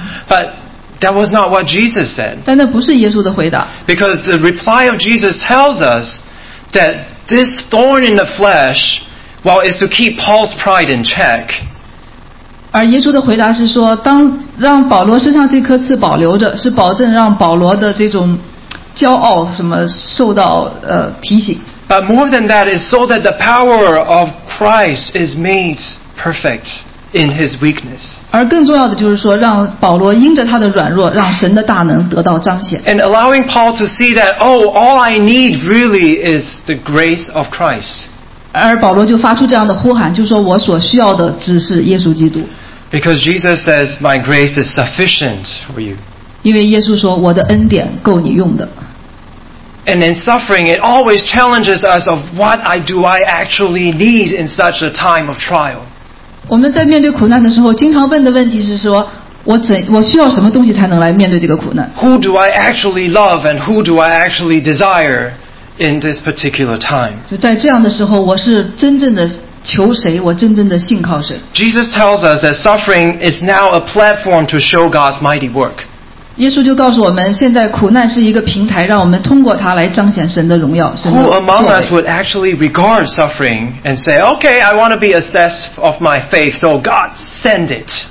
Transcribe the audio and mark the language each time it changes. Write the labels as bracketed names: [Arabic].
[English] But that was not what Jesus said. [Chinese] 但那不是耶稣的回答。 [English] Because the reply of Jesus tells us that this thorn in the flesh, while it's to keep Paul's pride in check. [Chinese] 而耶稣的回答是说，当让保罗身上这颗刺保留着，是保证让保罗的这种骄傲什么受到提醒。 [English] But more than that is so that the power of Christ is made perfect in his weakness. [Chinese] 而更重要的就是说，让保罗因着他的软弱，让神的大能得到彰显。 [English] And allowing Paul to see that, oh, all I need really is the grace of Christ. [Chinese] 而保罗就发出这样的呼喊，就是说我所需要的只是耶稣基督。 [English] Because Jesus says, "My grace is sufficient for you." [Chinese] 因为耶稣说，我的恩典够你用的。 [English] And in suffering, it always challenges us of what I do I actually need in such a time of trial. [Chinese] 我们在面对苦难的时候，经常问的问题是说，我需要什么东西才能来面对这个苦难 [English] ？Who do I actually love, and who do I actually desire? In this particular time, [Chinese] 就在这样的时候，我是真正的求谁，我真正的信靠谁。 [English] Jesus tells us that suffering is now a platform to show God's mighty work. [Chinese] 耶稣就告诉我们，现在苦难是一个平台，让我们通过它来彰显神的荣耀。 [English] Who among us would actually regard suffering and say, "Okay, I want to be assessed of my faith, so God send it."